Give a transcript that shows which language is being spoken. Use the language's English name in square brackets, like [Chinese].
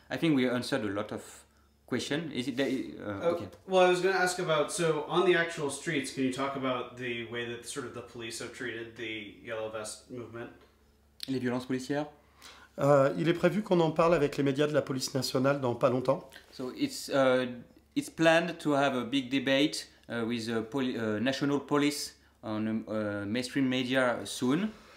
[English] I think we answered a lot of questions. Is it okay? Well, I was going to ask about, so on the actual streets, can you talk about the way that sort of the police have treated the Yellow Vest movement? [French] Les violences policières. Il est prévu qu'on en parle avec les médias de la police nationale dans pas longtemps. [English] So it's planned to have a big debate with the national police on mainstream media soon.